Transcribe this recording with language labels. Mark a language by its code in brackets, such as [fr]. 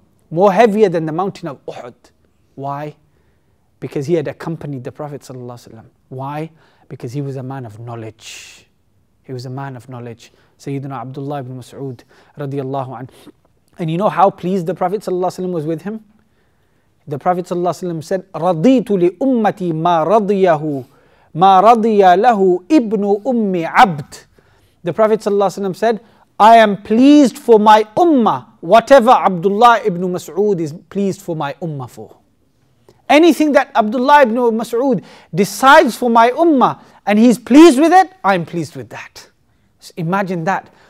[en] more heavier than the mountain of Uhud. Why? Because he had accompanied the Prophet ﷺ. Why? Because he was a man of knowledge. He was a man of knowledge. Sayyidina Abdullah ibn Mas'ud radiallahu anhu. And you know how pleased the Prophet ﷺ was with him? The Prophet ﷺ said, [ar] رَضِيتُ لِأُمَّتِي مَا رَضِيَ لَهُ إِبْنُ أُمِّي عَبْدٍ. [en] The Prophet ﷺ said, I am pleased for my ummah, whatever Abdullah ibn Mas'ud is pleased for my ummah for. Anything that Abdullah ibn Mas'ud decides for my ummah and he's pleased with it, I'm pleased with that. So imagine that.